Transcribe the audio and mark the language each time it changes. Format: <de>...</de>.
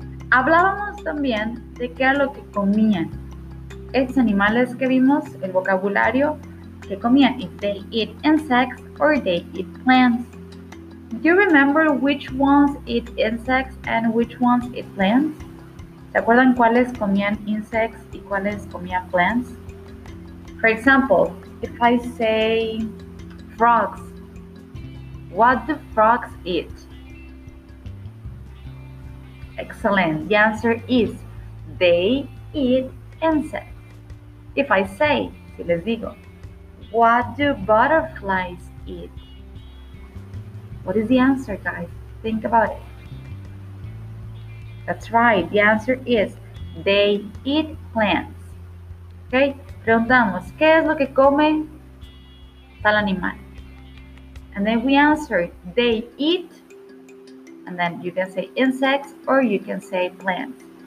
<es>Hablábamos también de qué era lo que comían estos animales que vimos, el vocabulario que comían.</es> <en>If they eat insects or they eat plants. Do you remember which ones eat insects and which ones eat plants?</en> <es>¿Se acuerdan cuáles comían insects y cuáles comían plants?</es> <en>For example, if I say frogs, what do frogs eat? Excellent. The answer is they eat insects. If I say,</en> <es>si les digo,</es> <en>what do butterflies eat? What is the answer, guys? Think about it. That's right. The answer is they eat plants. Okay?</en> <es>Preguntamos, ¿qué es lo que come tal animal?</es> <en>And then we answer, they eat. And then you can say insects or you can say plants.</en>